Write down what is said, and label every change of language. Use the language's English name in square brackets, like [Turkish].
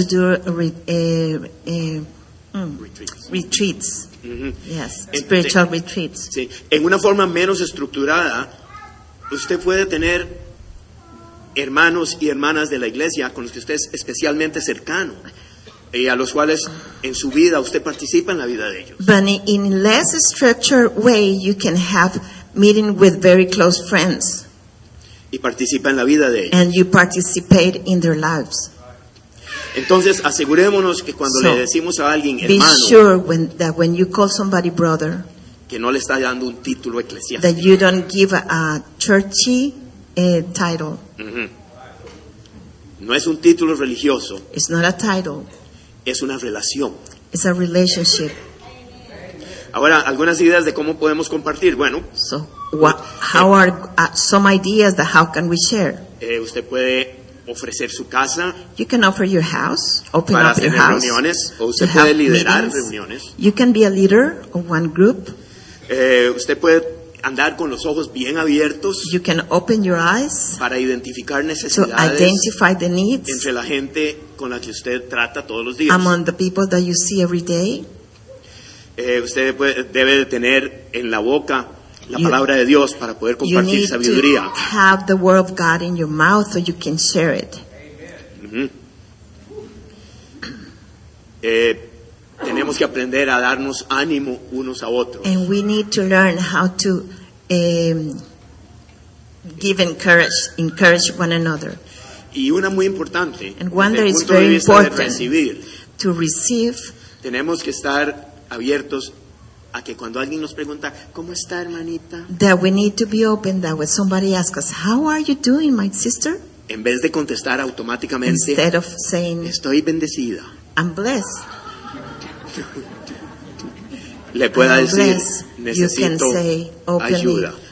[English] To do retreats. Mm-hmm. Yes, spiritual retreats. [Spanish] Sí. En una forma menos estructurada, usted puede tener hermanos y hermanas de la iglesia con los que usted es especialmente cercano. Y a los cuales en su vida usted participa en la vida de ellos. [English] But in a less structured way, you can have meeting with very close friends. [Spanish] Y participa en la vida de ellos. [English] And you participate in their lives. [Spanish] Entonces, asegurémonos que cuando le decimos a alguien hermano, [English] be sure when you call somebody brother, [Spanish] que no le está dando un título eclesiástico. [English] That you don't give a churchy title. Mm-hmm. [Spanish] No es un título religioso. [English] It's not a title. [Spanish] Es una relación. [English] It's a relationship. [Spanish] Ahora, algunas ideas de cómo podemos compartir. Bueno, [English] some ideas that how can we share? [Spanish] Usted puede ofrecer su casa. [English] You can offer your house, open [Spanish] para [English] up your house. [Spanish] Reuniones, o usted puede liderar meetings. Reuniones. [English] You can be a leader of one group. [Spanish] Usted puede andar con los ojos bien abiertos. [English] You can open your eyes [Spanish] para identificar necesidades. [English] To identify the needs [Spanish] entre la gente con la que usted trata todos los días. [English] Among the people that you see every day. [Spanish] Usted debe tener en la boca la palabra de Dios para poder compartir sabiduría. [English] You need to have the word of God in your mouth so you can share it. Mm-hmm. [Spanish] Tenemos que aprender a darnos ánimo unos a otros. [English] And we need to learn how to give encourage one another. [Spanish] Y una muy importante, [English] and one that is very important, to receive. [Spanish] Tenemos que estar abiertos a que cuando alguien nos pregunta, ¿cómo está, hermanita? [English] That we need to be open that when somebody asks us, how are you doing, my sister? [Spanish] En vez de contestar automáticamente, [English] instead of saying, [Spanish] estoy bendecida. [English] I'm blessed. [Spanish] Le pueda [English] I'm [Spanish] decir, [English] blessed. [Spanish] Necesito [English] you can say openly, [Spanish] ayuda.